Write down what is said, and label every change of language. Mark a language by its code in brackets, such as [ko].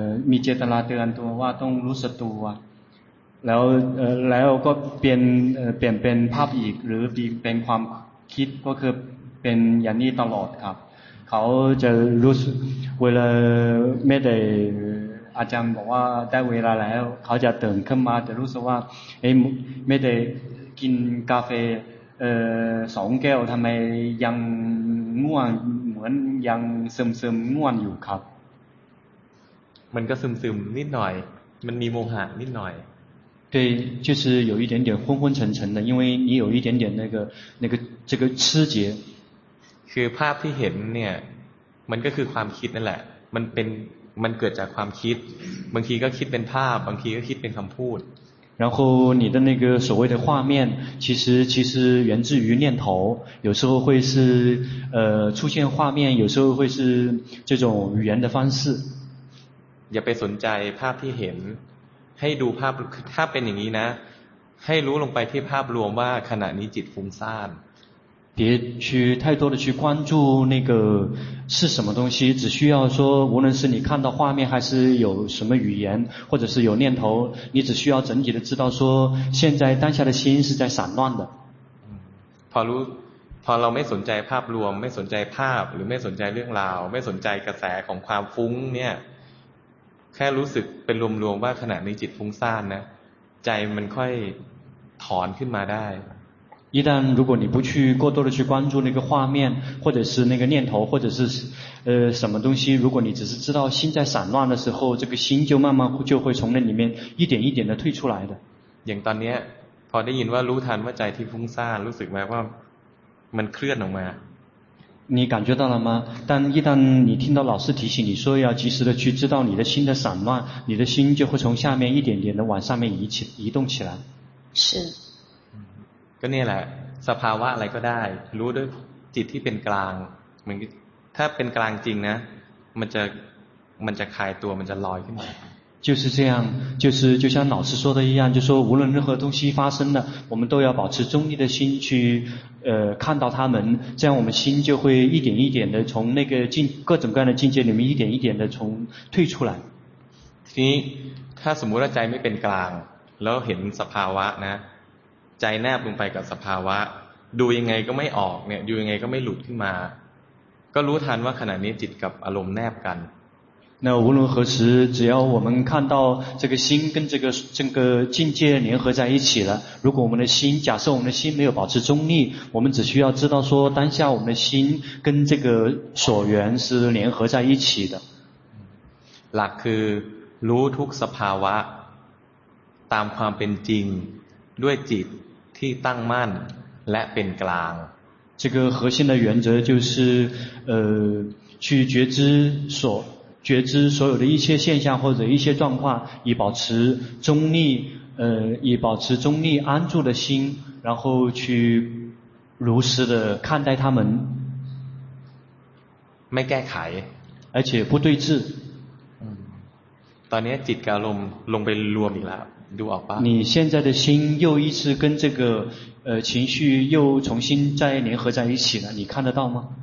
[th] มีเจตนาเตือนตัวว่าต้องรู้สึกตัวแล้วก็เปลี่ยนภาพอีกหรือเป็นความคิดก็คือเป็นอย่างนี้ตลอดครับเขาจะรู้สึกเวลาไม่ได้อาจารย์บอกว่าได้เวลาแล้วเขาจะตื่นขึ้นมาจะรู้สึกว่าเอ้ยไม่ได้กินกาแฟสองแก้วทำไมยังง่วงเหมือนยังซึมง่วงอยู่ครับ มันก็ซึมนิดหน่อยมันมีโมหะนิดหน่อย [zh] 对就是有一点点昏昏沉沉的因为你有一点点那个这个痴结 [th] คือภาพที่เห็นเนี่ยมันก็คือความคิดนั่นแหละมันเกิดจากความคิดบางทีก็คิดเป็นภาพบางทีก็คิดเป็นคำพูด [zh] 然后你的那个所谓的画面其实源自于念头有时候会是出现画面有时候会是这种语言的方式 [th] อย่าไปสนใจภาพที่เห็นให้ดูภาพถ้าเป็นอย่างนี้นะให้รู้ลงไปที่ภาพรวมว่าขณะนี้จิตฟุ้งซ่าน [zh] 别去太多的去关注那个是什么东西只需要说无论是你看到画面还是有什么语言或者是有念头你只需要整体的知道说现在当下的心是在散乱的 [th] พอรู้พอเราไม่สนใจภาพรวมไม่สนใจภาพหรือไม่สนใจเรื่องราวไม่สนใจกระแสของความฟุ้งเนี่ยแค่รู้สึกเป็นรวมๆว่าขณะนี้จิตฟุ้งซ่านนะ ใจมันค่อยถอนขึ้นมาได้ [zh] 一旦如果你不去过多的去关注那个画面或者是那个念头或者是什么东西如果你只是知道心在散乱的时候这个心就慢慢就会从那里面一点一点的退出来的 [th] อย่างตอนนี้พอได้ยินว่ารู้ทันว่าใจที่ฟุ้งซ่านรู้สึกไหมว่ามันเคลื่อนออกมา [zh] 你感觉到了吗但一旦你听到老师提醒你说要及时的去知道你的心的散乱你的心就会从下面一点点的往上面移动起来是 [th] ก็เนี่ยแหละสภาวะอะไรก็ได้รู้ด้วยจิตที่เป็นกลางเหมือนถ้าเป็นกลางจริงนะมันจะคลายตัวมันจะลอยขึ้นมา [zh] 就是这样就是就像老师说的一样就说无论任何东西发生了我们都要保持中立的心去看到他们这样我们心就会一点一点的从那个境各种各样的境界里面一点一点的从退出来 [th] ทีนี้ถ้าสมมุติว่าใจไม่เป็นกลางแล้วเห็นสภาวะนะใจแนบลงไปกับสภาวะดูยังไงก็ไม่ออกเนี่ยดูยังไงก็ไม่หลุดขึ้นมาก็รู้ทันว่าขณะนี้จิตกับอารมณ์แนบกัน [zh] 那无论何时只要我们看到这个心跟这个境界联合在一起了如果我们的心假设我们的心没有保持中立我们只需要知道说当下我们的心跟这个所缘是联合在一起的 [th] หลักคือรู้ทุกสภาวะตามความเป็นจริงด้วยจิตที่ตั้งมั่นและเป็นกลาง [zh] 这个核心的原则就是去觉知所觉知所有的一切现象或者一些状况以保持中立以保持中立安住的心然后去如实的看待他们 [th] ไม่แก้ไข [zh] 而且不对峙 [th] ตอนนี้จิตกับอารมณ์ลงไปรวมอีกแล้วดูออกป่ะ [zh] 你现在的心又一次跟这个情绪又重新再联合在一起了你看得到吗